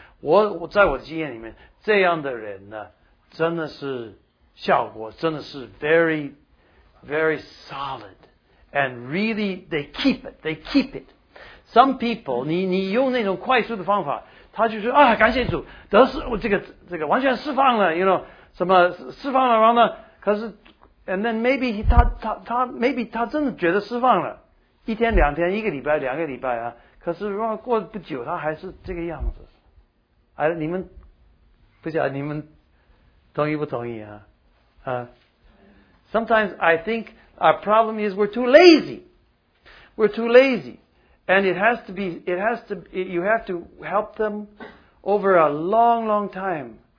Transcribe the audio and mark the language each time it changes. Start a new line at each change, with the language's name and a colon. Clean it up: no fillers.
Chinese: 我在我的经验里面，这样的人呢。真的是效果真的是
English: very very solid and really they keep it. Some people
Chinese: 你用那种快速的方法，他就说啊，感谢主，得释这个完全释放了，
English: you know，
Chinese: 什么释放了，然后呢，可是
English: and then maybe
Chinese: 他
English: maybe
Chinese: 他真的觉得释放了，一天两天，一个礼拜两个礼拜啊，可是如果过不久他还是这个样子。哎，你们不晓得你们同意不同意啊？
English: 啊 ，Sometimes I think our problem is we're too lazy. We're too lazy, and it has to. You have to help them over a long, long time.